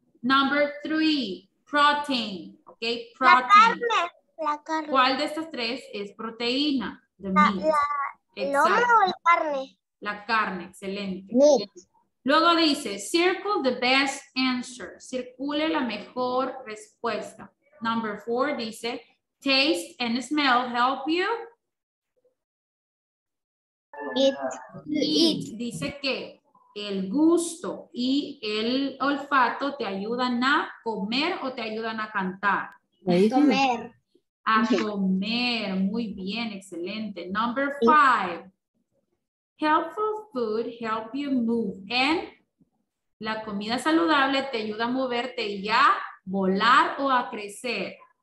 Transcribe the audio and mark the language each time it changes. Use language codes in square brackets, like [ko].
[en] Number three, protein, ¿ok? Protein. [es] La carne. ¿Cuál de estas tres es proteína? [en] The meat. [es] ¿El lomo o la carne? La carne, excelente. [en] Meat. [es] Luego dice, [en] circle the best answer, [es] circule la mejor respuesta. [en] Number four dice, taste and smell help you. Eat. [es] Dice que el gusto y el olfato te ayudan a comer o te ayudan a cantar. A comer. Muy bien, excelente. [en] Number five. Helpful food help you move. [es] And la comida saludable te ayuda a moverte y a volar o a crecer.